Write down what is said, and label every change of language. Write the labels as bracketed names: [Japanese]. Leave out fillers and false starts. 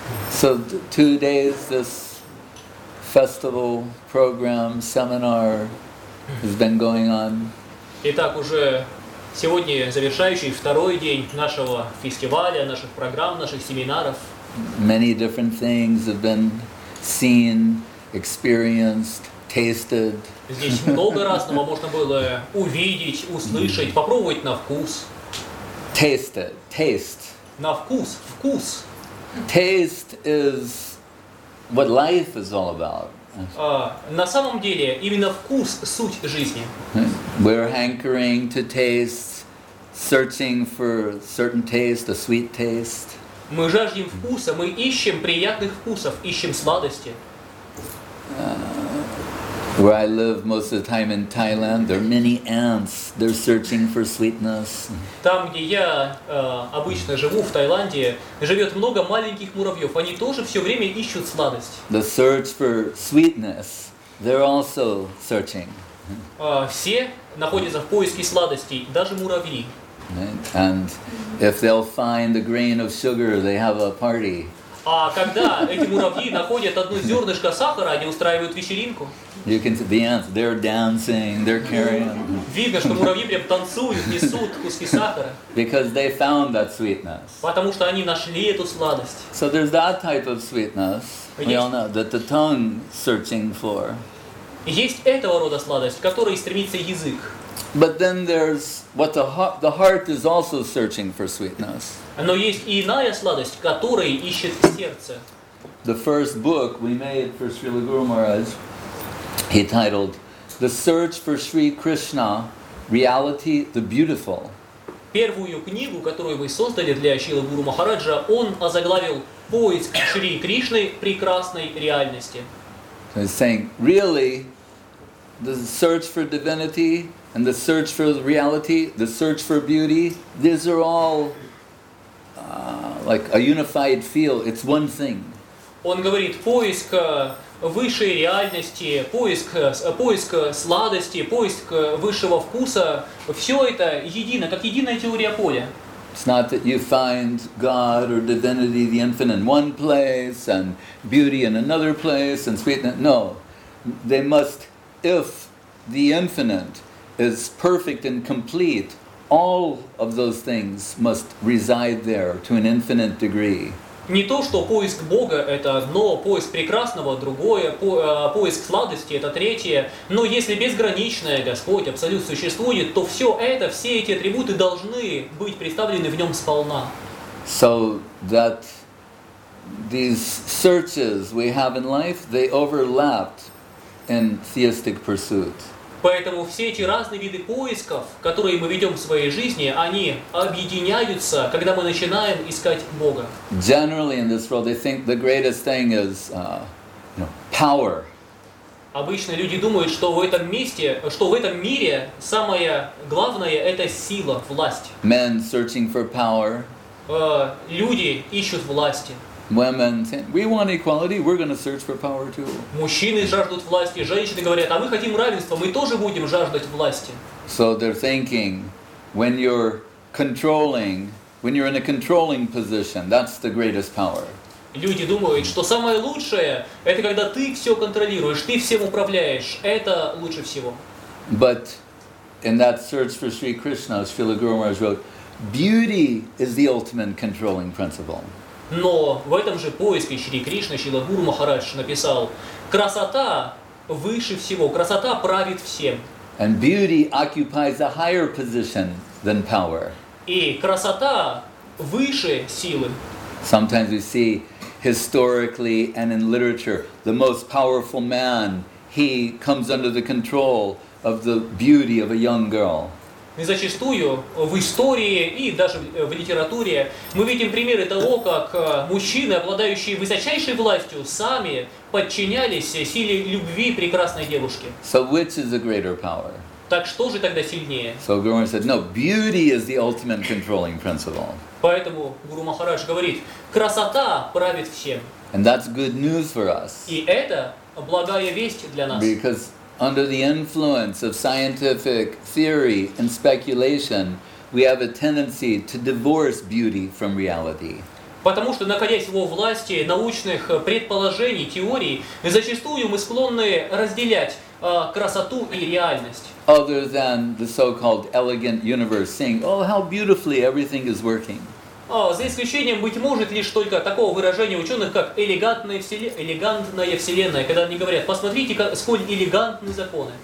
[English] So 2 days, this festival program, seminar has been going on. [Russian] Итак, уже сегодня завершающий второй день нашего фестиваля, наших программ, наших семинаров. [English] Many different things have been seen, experienced, tasted. [Russian] Здесь много разного можно было увидеть, услышать, попробовать на вкус. [English] Taste it, taste. [Russian] На вкус, вкус. [English] Taste is what life is all about. [Russian] На самом деле, именно вкус – суть жизни. [English] We're hankering to taste, searching for certain taste, a sweet taste. [Russian] Мы жаждем вкуса, мы ищем приятных вкусов, ищем сладости. [English] Where I live most of the time in Thailand, there are many ants. They're searching for sweetness. [Russian] Там, где я обычно живу, в Таиланде, живет много маленьких муравьев. Они тоже все время ищут сладость. [English] The search for sweetness, they're also searching. [Russian] Все находятся в поиске сладостей, даже муравьи. [English] Right? And if they'll find a grain of sugar, they have a party. [Russian] А когда эти муравьи находят одно зернышко сахара, они устраивают вечеринку. [English] You can see the ants, they're dancing, they're carrying. [Russian] Видно, что муравьи прям танцуют, несут куски сахара. [English] Because they found that sweetness. [Russian] Потому что они нашли эту сладость. [English] So there's that type of sweetness, we all know, that the tongue searching for. [Russian] Есть этого рода сладость, к которой стремится язык. [English] But then there's what the heart is also searching for sweetness. [Russian] Но есть иная сладость, которой ищет сердце. [English] The first book we made for Srila Guru Maharaj, he titled "The Search for Sri Krishna: Reality, the Beautiful." [Russian] Первую книгу, которую мы создали для Шрилы Гуру Махараджа, он озаглавил "Поиск Шри Кришны: Прекрасной реальности." [English] So he's saying, really, the search for divinity and the search for reality, the search for beauty, these are all like a unified field. It's one thing. [Russian] Он говорит, поиск высшей реальности, поиск сладости, поиск высшего вкуса, все это едино, как единая теория поля. [English] It's not that you find God or divinity, the infinite, in one place, and beauty in another place, and sweetness. No, they must, if the infinite is perfect and complete, all of those things must reside there to an infinite degree. [Russian] Не то, что поиск Бога – это одно, поиск прекрасного – другое, поиск сладости – это третье, но если безграничное Господь, Абсолют существует, то все это, все эти атрибуты должны быть представлены в Нем сполна. [English] So that these searches we have in life, they overlapped in theistic pursuit. [Russian] Поэтому все эти разные виды поисков, которые мы ведем в своей жизни, они объединяются, когда мы начинаем искать Бога. [English] Generally in this world, they think the greatest thing is, power. [Russian] Обычно люди думают, что в этом месте, что в этом мире самое главное – это сила, власть. [English] Men searching for power. [Russian] Люди ищут власти. [English] Women say, we want equality, we're going to search for power too. [Russian] Мужчины жаждут власти, женщины говорят, а мы хотим равенства, мы тоже будем жаждать власти. [English] So they're thinking, when you're controlling, when you're in a controlling position, that's the greatest power. [Russian] Люди думают, что самое лучшее, это когда ты все контролируешь, ты всем управляешь, это лучше всего. [English] But in that search for Sri Krishna, Srila Guru Maharaj wrote, beauty is the ultimate controlling principle. [Russian] Но в этом же поиске Шри Кришна, Шрила Гуру Махарадж написал, красота выше всего, красота правит всем. [English] And beauty occupies a higher position than power. [Russian] И красота выше силы. [English] Sometimes we see historically and in literature, the most powerful man, he comes under the control of the beauty of a young girl. [Russian] И зачастую в истории и даже в литературе мы видим примеры того, как мужчины, обладающие высочайшей властью, сами подчинялись силе любви прекрасной девушки. [English] So which is the greater power? [Russian] Так что же тогда сильнее? [English] So Guru Maharaj said, no, beauty is the ultimate controlling principle. [Russian] Поэтому Гуру Махарадж говорит, красота правит всем. [English] And that's good news for us. [Russian] И это благая весть для нас. [English] Because under the influence of scientific theory and speculation, we have a tendency to divorce beauty from reality. [Russian] Потому что, находясь во власти научных предположений, теорий, зачастую мы склонны разделять красоту и реальность. [English] Other than the so-called elegant universe saying, oh, how beautifully everything is working. [Russian] За исключением, быть может, лишь только такого выражения ученых, как элегантная вселенная, когда они говорят, посмотрите, сколь элегантны законы.